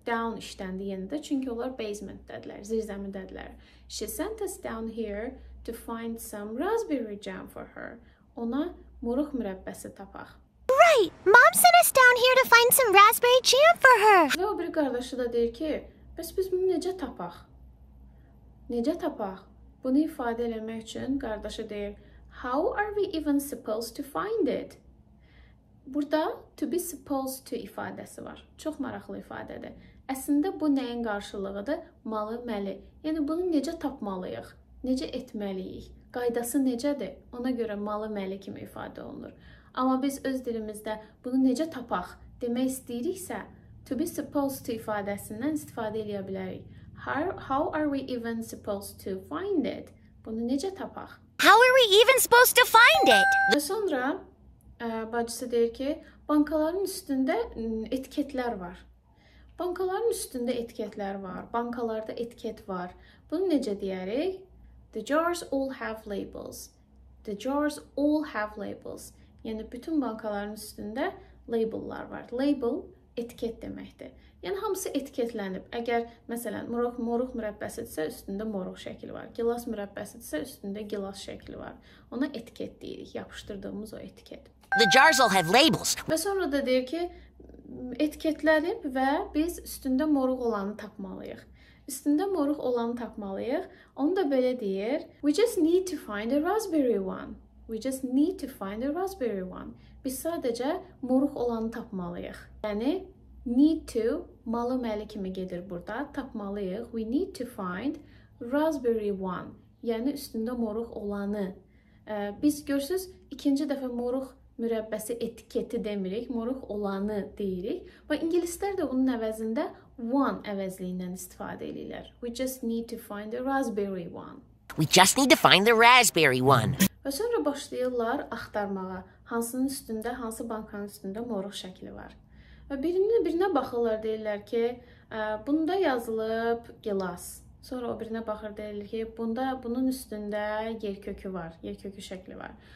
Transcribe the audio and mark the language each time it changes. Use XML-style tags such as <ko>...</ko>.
<az>Down işləndi yenidə, çünki onlar basement-dədilər, zirzəmidədilər.</az> <en>She sent us down here to find some raspberry jam for her.</en> <az>Ona moruq mürəbbəsi tapaq.</az> <en>Right! Mom sent us down here to find some raspberry jam for her.</en> <az>Və o biri qardaşı da deyir ki, bəs biz bunu necə tapaq? Necə tapaq? Bunu ifadə eləmək üçün qardaşı deyir,</az> <en>How are we even supposed to find it?</en> <az>Burada</az> <en>to be supposed to</en> <az>ifadəsi var. Çox maraqlı ifadədir. Əslində bu nəyin qarşılığıdır? Malı, məli. Yəni bunu necə tapmalıyıq? Necə etməliyik? Qaydası necədir? Ona görə malı, məli kimi ifadə olunur. Amma biz öz dilimizdə bunu necə tapaq demək istəyiriksə,</az> <en>to be supposed to</en> <az>ifadəsindən istifadə edə bilərik.</az> <en>How are we even supposed to find it?</en> <az>Bunu necə tapaq?</az> <en>How are we even supposed to find it?</en> <az>Və sonra bacısı deyir ki, bankaların üstündə etiketlər var. Bankaların üstündə etiketlər var. Bankalarda etiket var. Bunu necə deyərik?</az> <en>The jars all have labels. The jars all have labels.</en> <az>Yəni, bütün bankaların üstündə label-lar var. Label etiket deməkdir. Yəni, hamısı etiketlənib. Əgər, məsələn, moruq mürəbbəsidirsə, üstündə moruq şəkli var. Gilas mürəbbəsidirsə, üstündə gilas şəkli var. Ona etiket deyirik, yapışdırdığımız o etiket. The jars all have labels. Və sonra da deyir ki, etiketlənib və biz üstündə moruq olanı tapmalıyıq. Üstündə moruq olanı tapmalıyıq. Onu da belə deyir,</az> <en>We just need to find a raspberry one. We just need to find a raspberry one.</en> <az>Biz sadəcə moruq olanı tapmalıyıq. Yəni, need to, malı məli kimi gedir burada, tapmalıyıq.</az> <en>We need to find raspberry one.</en> <az>Yəni, üstündə moruq olanı. Biz görsünüz, ikinci dəfə moruq mürəbbəsi etiketi demirik, moruq olanı deyirik. Və ingilislər də onun əvəzində one əvəzliyindən istifadə edirlər.</az> <en>We just need to find a raspberry one. We just need to find the raspberry one.</en> <az>Və sonra başlayırlar axtarmağa, hansının üstündə, hansı bankanın üstündə moruq şəkli var. Və birinə baxırlar, deyirlər ki, bunda yazılıb gilas. Sonra o birinə baxır, deyirlər ki, bunun üstündə yer kökü var, yer kökü şəkli var.</az>